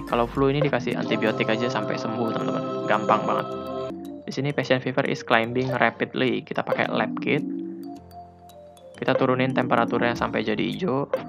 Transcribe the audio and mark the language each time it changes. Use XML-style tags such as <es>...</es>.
<id>Kalau flu ini dikasih antibiotik aja sampai sembuh, teman-teman. Gampang banget. Di sini</id> <en>patient fever is climbing rapidly.</en> <id>Kita pakai lab kit. Kita turunin temperaturnya sampai jadi hijau.</id>